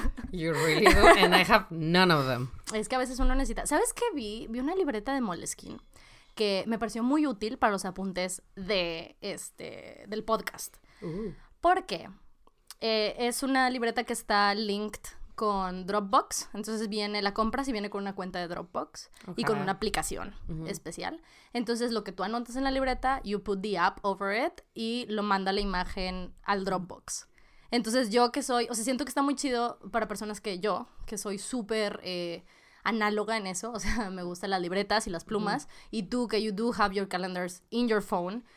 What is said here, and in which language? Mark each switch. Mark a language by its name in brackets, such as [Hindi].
[English] You really do, and I have none of them. [Spanish] Es que a veces uno necesita... ¿Sabes qué vi? Vi una libreta de Moleskine que me pareció muy útil para los apuntes de del podcast. Porque es una libreta que está linked con Dropbox. Entonces viene la compra, si viene con una cuenta de Dropbox. Okay. Y con una aplicación especial. Entonces lo que tú anotas en la libreta, [English] you put the app over it [Spanish] y lo manda la imagen al Dropbox. Entonces yo que soy, o sea, siento que está muy chido para personas que yo, que soy súper análoga en eso. O sea, me gustan las libretas y las plumas. Y tú, que [English] you do have your calendars in your phone.